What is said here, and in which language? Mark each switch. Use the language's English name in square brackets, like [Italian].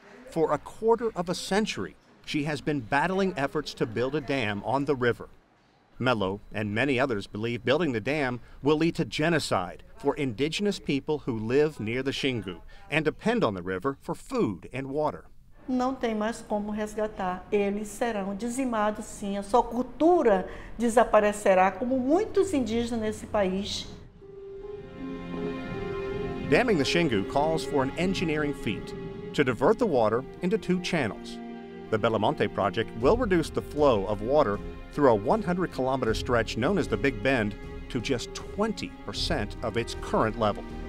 [English] For a quarter of a century, she has been battling efforts to build a dam on the river. Mello and many others believe building the dam will lead to genocide for indigenous people who live near the Xingu and depend on the river for food and water. [Portuguese] Não tem mais como resgatar. Eles serão dizimados, sim. A sua cultura desaparecerá, como muitos indígenas nesse país. [English] Damming the Xingu calls for an engineering feat to divert the water into two channels. The Belamonte project will reduce the flow of water through a 100-kilometer stretch known as the Big Bend to just 20% of its current level.